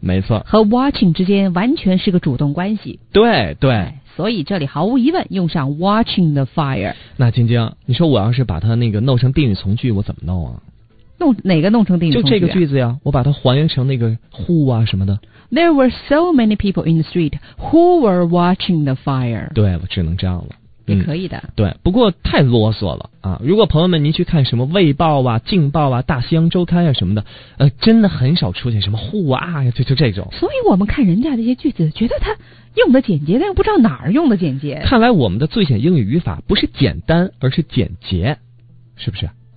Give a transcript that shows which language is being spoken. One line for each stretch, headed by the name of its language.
Chinese: 没错，和 watching 之间完全是个主动关系。对对。所以这里毫无疑问用上 watching the fire。那晶晶，你说我要是把它那个弄成定语从句，我怎么弄啊？弄哪个弄成定语从句、啊、就这个句子呀，我把它还原成那个 who 啊什么的。
English: There were so many people in the street who were watching the fire。
Chinese: 对，我只能这样了。也可以的、对，不过太啰嗦了啊！如果朋友们您去看什么《卫报》啊、《镜报》啊、《大西洋周刊》啊什么的，真的很少出现什么 who 啊呀，就这种。所以我们看人家这些句子，觉得他用的简洁，但又不知道哪儿用的简洁。看来我们的最简英语语法不是简单，而是简洁，是不是？